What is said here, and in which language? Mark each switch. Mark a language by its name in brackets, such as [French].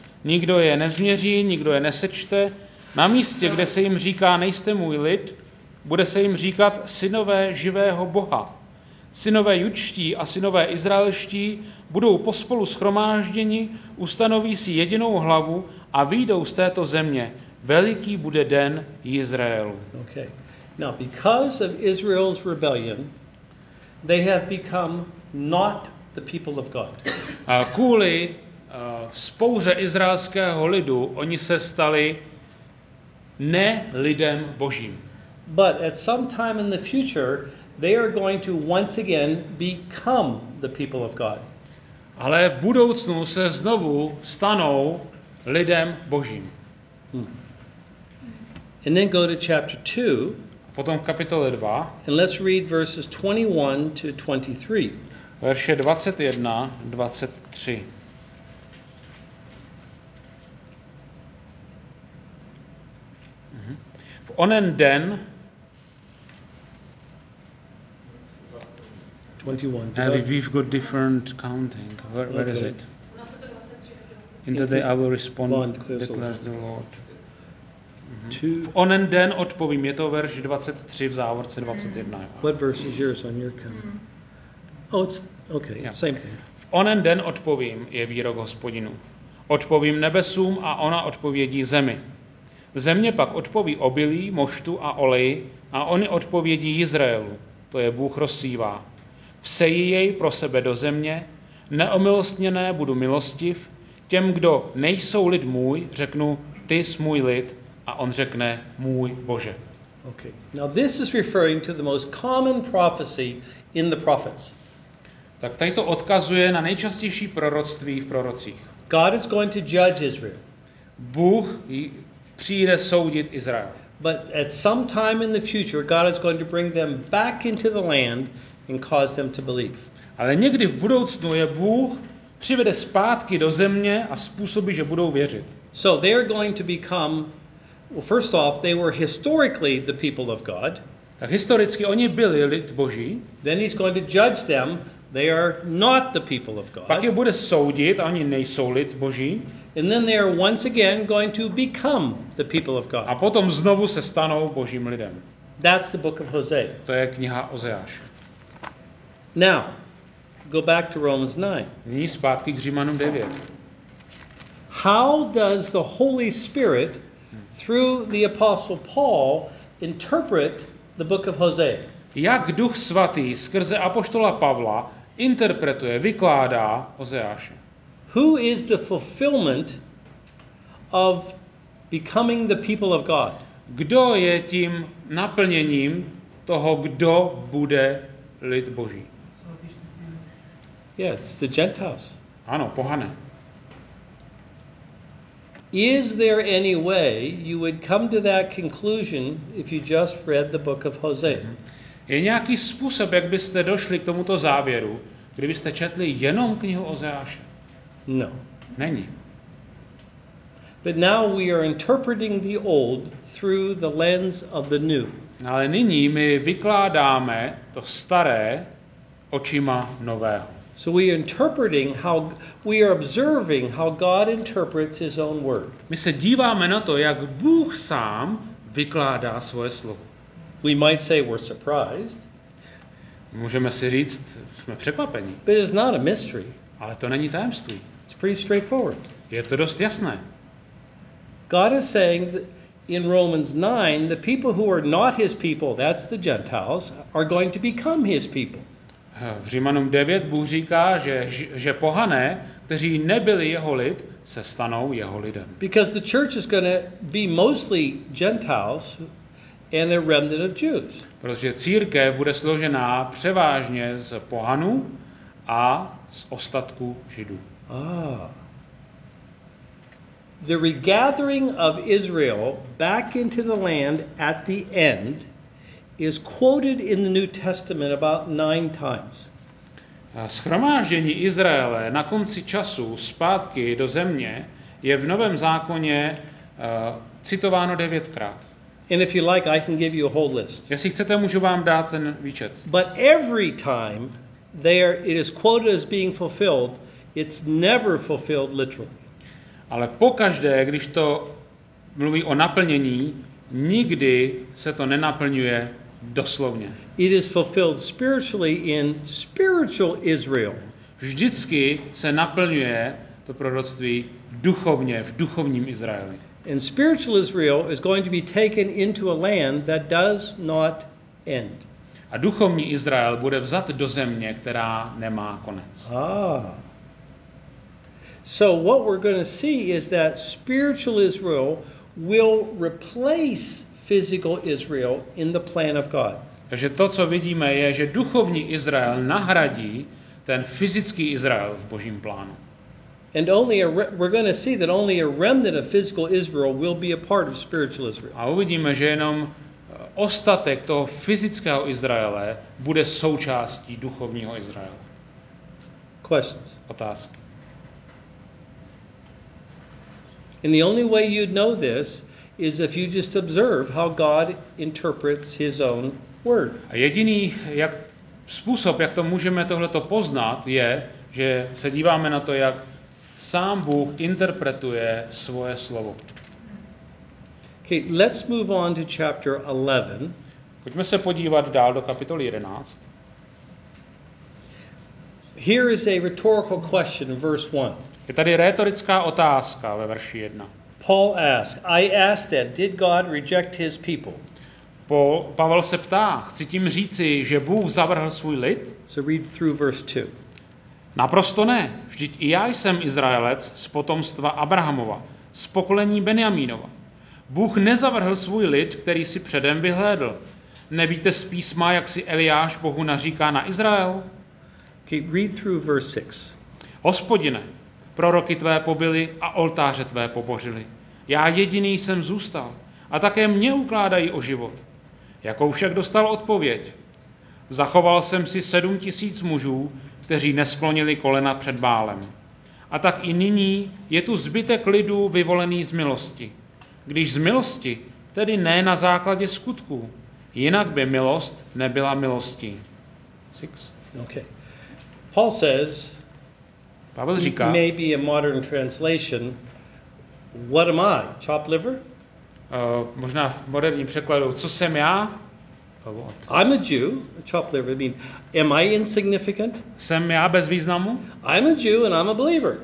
[Czech] Nikdo je nezměří, nikdo je nesečte. Na místě, kde se jim říká nejste můj lid, bude se jim říkat synové živého Boha. Synové judští a synové izraelští budou pospolu shromážděni, ustanoví si jedinou hlavu a vyjdou z této země. Veliký bude den Izraelu. [English] Okay. Now because of Israel's rebellion, they have become not the people of God. [Czech] Kvůli vzpouře izraelského lidu, oni se stali ne lidem Božím. [English] But at some time in the future, they are going to once again become the people of God. [Czech] Ale v budoucnu se znovu stanou lidem Božím. [English] And then go to chapter 2. [Czech] Potom kapitole 2. [English] And let's read verses 21 to 23. [Czech] Verše 21, 23. V onen den 21. [English] We've got different counting. Where okay. Is it? In the day I will respond, declares the Lord. [Czech] V onen den odpovím. Je to verš 23 v závorce 21. [English] What verse is yours on your count? Oh, it's okay. Yeah. Same thing. [Czech] V onen den odpovím, je výrok Hospodinu. Odpovím nebesům a ona odpovědí zemi. Země pak odpoví obilí, moštu a oleji a oni odpovědí Izraelu. to je Bůh rozsývá. Vseji jej pro sebe do země, neomilostněné budu milostiv, těm, kdo nejsou lid můj, řeknu, ty jsi můj lid, a on řekne, můj Bože. [English] Okay. Now this is referring to the most common prophecy in the prophets. [Czech] Tak tady to odkazuje na nejčastější proroctví v prorocích. [English] God is going to judge Israel. [Czech] Bůh přijde soudit Izrael. [English] But at some time in the future, God is going to bring them back into the land and cause them to believe. [Czech] Ale někdy v budoucnu je Bůh přivede zpátky do země a způsobí, že budou věřit. [English] So they are going to become, well, first off, they were historically the people of God. [Czech] Tak historicky oni byli lid Boží. [English] Then he's going to judge them. They are not the people of God. [Czech] Pak je bude soudit, a oni nejsou lid Boží. [English] And then they are once again going to become the people of God. [Czech] A potom znovu se stanou Božím lidem. [English] That's the book of Hosea. [Czech] To je kniha Ozeáš. [English] Now, go back to Romans 9. [Czech] Nyní zpátky k Římanům 9. [English] How does the Holy Spirit through the apostle Paul interpret the book of Hosea? [Czech] Jak Duch svatý skrze apoštola Pavla interpretuje, vykládá Ozeáše? [English] Who is the fulfillment of becoming the people of God? [Czech] Kdo je tím naplněním toho, kdo bude lid Boží? [English] Yes, the Gentiles. [Czech] Ano, pohané. [English] Is there any way you would come to that conclusion if you just read the book of Hosea? [Czech] Je nějaký způsob, jak byste došli k tomuto závěru, kdybyste četli jenom knihu Ozeáše? [English] No. [Czech] Není. [English] But now we are interpreting the old through the lens of the new. [Czech] Ale nyní my vykládáme to staré očima nového. [English] So we are interpreting how we are observing how God interprets his own word. [Czech] My se díváme na to, jak Bůh sám vykládá svoje slovo. [English] We might say we're surprised. [Czech] Můžeme si říct, jsme překvapeni. [English] But it's not a mystery. [Czech] Ale to není tajemství. [English] It's pretty straightforward. [Czech] Je to dost jasné. [English] God is saying that in Romans 9, the people who are not his people, that's the Gentiles, are going to become his people. [Czech] V Římanům 9 Bůh říká, že pohané, kteří nebyli jeho lid, se stanou jeho lidem. [English] Because the church is going to be mostly Gentiles and a remnant of Jews. [Czech] Protože církev bude složená převážně z pohanů a z ostatku Židů. [English] The regathering of Israel back into the land at the end is quoted in the New Testament about 9 times. [Czech] Shromáždění Izraele na konci času zpátky do země je v Novém zákoně citováno 9krát. [English] And if you like, I can give you a whole list. [Czech] Jestli chcete, můžu vám dát ten výčet. [English] But every time there it is quoted as being fulfilled, it's never fulfilled literally. [Czech] Ale pokaždé, když to mluví o naplnění, nikdy se to nenaplňuje doslovně. [English] It is fulfilled spiritually in spiritual Israel. [Czech] Vždycky se naplňuje to proroctví duchovně, v duchovním Izraeli. [English] And spiritual Israel is going to be taken into a land that does not end. [Czech] A duchovní Izrael bude vzat do země, která nemá konec. [English] So what we're going to see is that spiritual Israel will replace physical Israel in the plan of God. [Czech] Takže to, co vidíme, je, že duchovní Izrael nahradí ten fyzický Izrael v Božím plánu. [English] And only we're going to see that only a remnant of physical Israel will be a part of spiritual Israel. [Czech] A uvidíme, že jenom ostatek toho fyzického Izraele bude součástí duchovního Izraele. [English] Questions. [Czech] Otázky. [English] And the only way you'd know this is if you just observe how God interprets his own word. [Czech] A jediný jak způsob, jak to můžeme tohleto poznat, je, že se díváme na to, jak sám Bůh interpretuje svoje slovo. [English] Okay, let's move on to chapter 11. [Czech] Pojďme se podívat dál do kapitoly 11. [English] Here is a rhetorical question, verse 1. [Czech] Je tady retorická otázka ve verši 1. [English] Paul asked, I asked that, did God reject his people? [Czech] Pavel se ptá, chci tím říci, že Bůh zavrhl svůj lid? [English] So read through verse 2. [Czech] Naprosto ne, vždyť i já jsem Izraelec z potomstva Abrahamova, z pokolení Benjamínova. Bůh nezavrhl svůj lid, který si předem vyhlédl. Nevíte z písma, jak si Eliáš Bohu naříká na Izrael? [English] Okay, read through verse 6. [Czech] Hospodine, proroky tvé pobyli a oltáře tvé pobořili. Já jediný jsem zůstal a také mě ukládají o život. Jakou však dostal odpověď? Zachoval jsem si 7000 mužů, kteří nesklonili kolena před Bálem. A tak i nyní je tu zbytek lidů vyvolený z milosti. Když z milosti, tedy ne na základě skutků. Jinak by milost nebyla milostí. [English] Six. Okay. Paul says, [Czech] Pavel říká, [English] maybe a modern translation, what am I, chopped liver? [Czech] Možná v moderním překladu, co jsem já? [English] I'm a Jew, a chopped liver. I mean, am I insignificant? [Czech] Jsem já bez významu? [English] I'm a Jew and I'm a believer.